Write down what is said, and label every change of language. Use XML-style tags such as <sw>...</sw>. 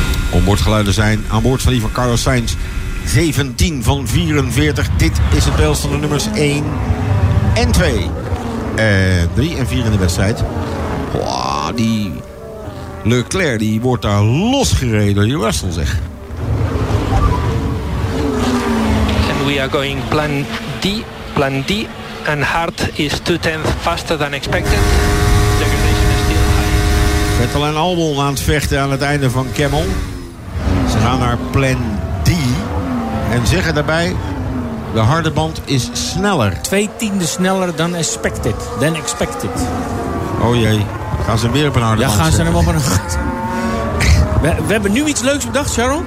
<nl>Onboordgeluiden zijn aan boord van die van Carlos Sainz. 17 van 44. Dit is het beeld van de nummers 1 en 2. En 3 en 4 in de wedstrijd. Wow, die Leclerc die wordt daar losgereden door Russell zeg.</nl> <en>We are going plan D, and hard is 2/10 faster than expected. Degradation is still high.</en> <nl>Vettel en Albon aan het vechten aan het einde van Camel. Ze gaan naar plan D en zeggen daarbij, de harde band is sneller. 2/10 sneller dan expected. Oh jee, gaan ze weer op een harde band. Ja, gaan ze hem op een hard. We hebben nu iets leuks bedacht, Charles.</nl>